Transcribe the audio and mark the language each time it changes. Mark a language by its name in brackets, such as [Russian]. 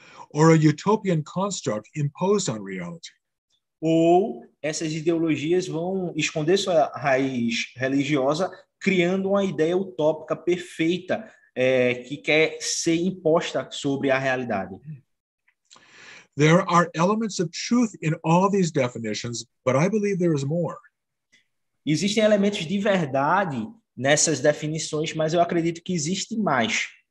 [English] Or a utopian construct imposed on reality. [Portuguese] Ou essas ideologias vão esconder sua raiz religiosa, criando uma ideia utópica perfeita que quer ser imposta sobre a realidade. [English] There are elements of truth in all these definitions, but I believe there is more. [Portuguese] Existem elementos de verdade nessas definições, mas eu acredito que existe mais.